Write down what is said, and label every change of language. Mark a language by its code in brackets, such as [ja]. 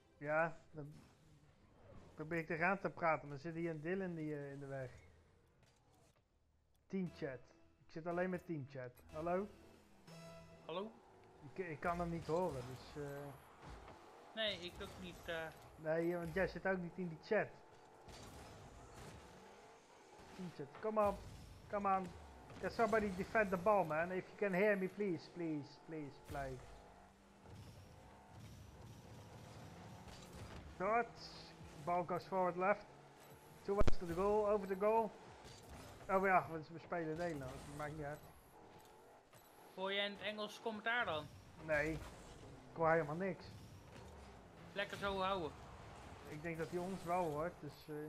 [nl] Ja, dan probeer ik er aan te praten, maar zit hier een Dylan die in de weg. Teamchat. Ik zit alleen met teamchat. Hallo? Hallo? Ik kan hem niet horen, dus... Nee, ik ook niet. Nee, want jij zit ook niet in die chat. Teamchat, kom op. [en] Come on, can somebody defend the ball, man? If you can hear me, please, please, please, play. Short, ball goes forward left. Towards the goal, over the goal. [nl] Oh ja, want we spelen Nederlands, dat maakt niet uit. Hoor jij in het Engels commentaar dan? Nee, ik hoor helemaal niks. Lekker zo houden. Ik denk dat hij ons wel hoort, dus...